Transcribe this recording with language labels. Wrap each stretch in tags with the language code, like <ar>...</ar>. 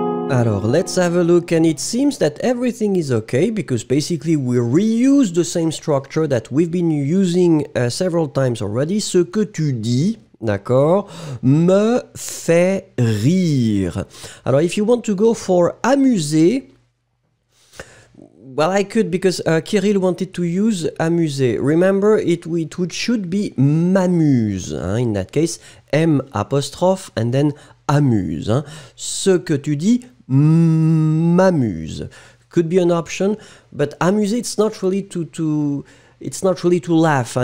<en>Alors, let's have a look, and it seems that everything is okay because basically we reuse the same structure that we've been using several times already.</en> <fr>Ce que tu dis, d'accord, me fait rire.</fr> <en>Alors, if you want to go for amuser, well, I could because Kirill wanted to use amuser. Remember, it should be m'amuse, hein, in that case, M apostrophe and then amuse. Hein.</en> <fr>Ce que tu dis m'amuse</fr> <en>could be an option, but amuser, it's not really it's not really to laugh.</en>